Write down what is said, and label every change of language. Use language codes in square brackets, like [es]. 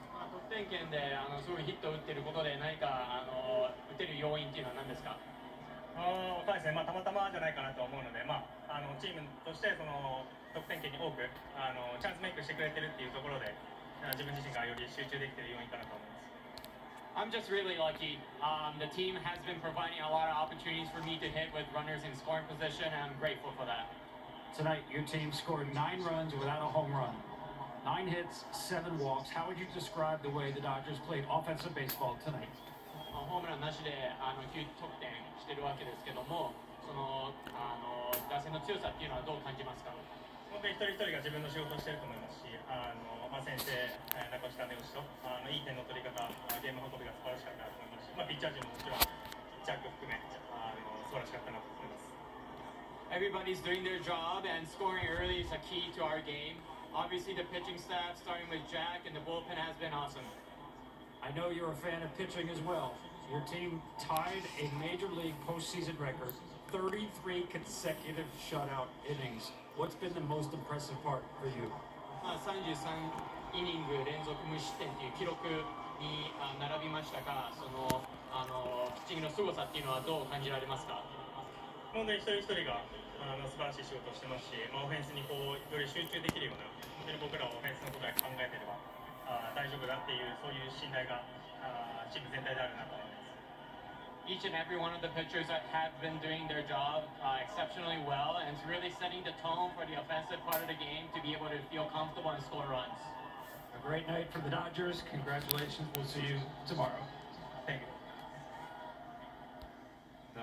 [en] I'm just really lucky. The team has been providing a lot of opportunities for me to hit with runners in scoring position, and I'm grateful for that. Tonight, your team scored 9 runs without a home run. 9 hits, 7 walks. How would you describe the way the Dodgers played offensive baseball tonight? [ja] ホームランなしで9得点してるわけですけども、その打線の強さっていうのはどう感じますか？本当に一人一人が自分の仕事をしていると思いますし、先生、中下根押しといい点の取り方、ゲーム運びが素晴らしかったなと思いますし、ピッチャー陣ももちろん、ピッチャー君含め、素晴らしかったなと思います。 [en] Everybody's doing their job and scoring early is a key to our game. Obviously the pitching staff starting with Jack and the bullpen has been awesome. I know you're a fan of pitching as well. Your team tied a major league postseason record, 33 consecutive shutout innings. What's been the most impressive part for you? [ja] 33イニング連続無失点という記録に並びましたが、ピッチングの凄さっていうのはどう感じられますか？本当に一人一人が素晴らしい仕事をしてますし、オフェンスにこうより集中できるような、本当に僕らはオフェンスのことを考えてれば大丈夫だっていう、そういう信頼がチーム全体であるなと思います。 [en] Each and every one of the pitchers have been doing their job exceptionally well, and it's really setting the tone for the offensive part of the game to be able to feel comfortable and score runs. A great night for the Dodgers. Congratulations. We'll see you tomorrow. Thank you.